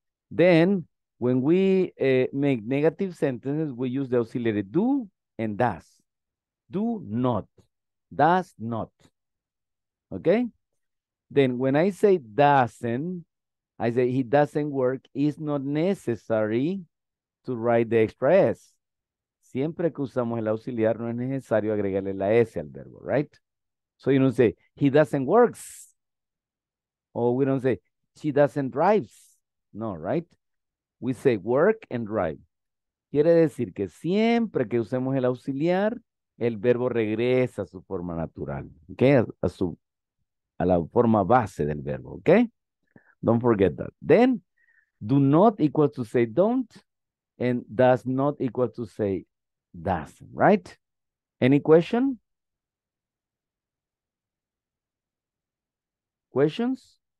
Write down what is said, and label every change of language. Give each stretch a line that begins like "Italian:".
English: Then when we make negative sentences, we use the auxiliary do and does. Do not. Does not. Okay? Then when I say doesn't, I say he doesn't work, it's not necessary to write the extra S.
Spanish: Siempre que usamos el auxiliar, no es necesario agregarle la S al verbo, right?
English: So you don't say, he doesn't work. Or we don't say, she doesn't drive. No, right? We say work and drive.
Spanish: Quiere decir que siempre que usemos el auxiliar, el verbo regresa a su forma natural, okay? A la forma base del verbo, okay?
English: Don't forget that. Then, do not equal to say don't, and does not equal to say doesn't, right? Any question? Questions?